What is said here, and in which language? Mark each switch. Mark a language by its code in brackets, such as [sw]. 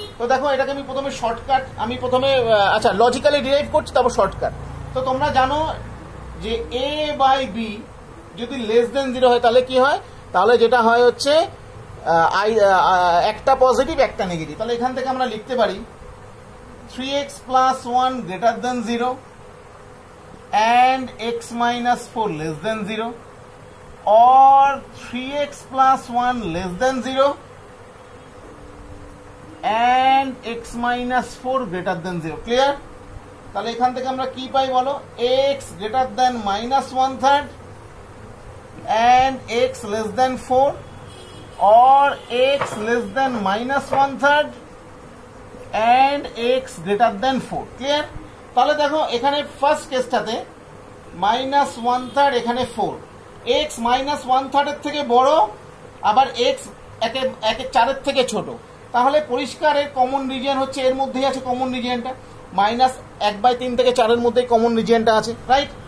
[bn] তো দেখো এটাকে আমি প্রথমে শর্টকাট আমি প্রথমে আচ্ছা লজিক্যালি ডিরাইভ করছি তারপর শর্টকাট, তো তোমরা জানো যে এ বাই বি যদি লেস দেন জিরো হয় তাহলে কি হয়, তাহলে যেটা হয় হচ্ছে আই একটা পজিটিভ একটা নেগেটিভ, তাহলে এখান থেকে আমরা লিখতে পারি three x plus one greater than zero and x minus four less than zero, [en] or 3x plus 1 less than 0 and x minus 4 greater than 0. Clear? [bn] তাহলে এখান থেকে আমরা কি পাই বলো, [en] x greater than minus 1/3 and x less than 4 or x less than minus 1/3 and x greater than 4. Clear? [bn] তাহলে দেখো এখানে first কেসটাতে minus one third, এখানে four, x minus one third এর থেকে বড়, আবার এক্স একে চারের থেকে ছোট, তাহলে পরিষ্কার এর কমন রিজিয়ন হচ্ছে এর মধ্যেই আছে কমন রিজিয়নটা, মাইনাস এক বাই তিন থেকে চারের মধ্যে কমন রিজিয়নটা আছে, রাইট?